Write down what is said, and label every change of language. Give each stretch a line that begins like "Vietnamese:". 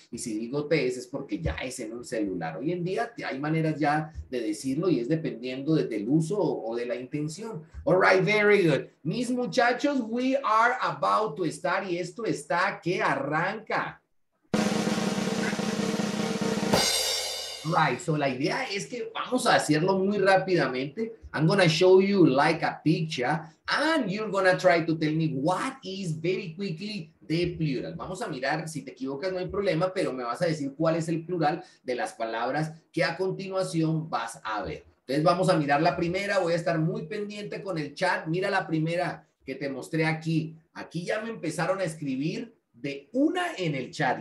Spanish: Y si digo test es porque ya es en un celular. Hoy en día hay maneras ya de decirlo y es dependiendo del uso o de la intención.
English: All right, very good.
Spanish: Mis muchachos,
English: we are about to start
Spanish: y esto está que arranca.
English: Right, so
Spanish: la idea es que vamos a hacerlo muy rápidamente.
English: I'm gonna show you like a picture and you're gonna try to tell me what is very quickly the plural.
Spanish: Vamos a mirar, si te equivocas no hay problema, pero me vas a decir cuál es el plural de las palabras que a continuación vas a ver. Entonces vamos a mirar la primera, voy a estar muy pendiente con el chat. Mira la primera que te mostré aquí. Aquí ya me empezaron a escribir de una en el chat.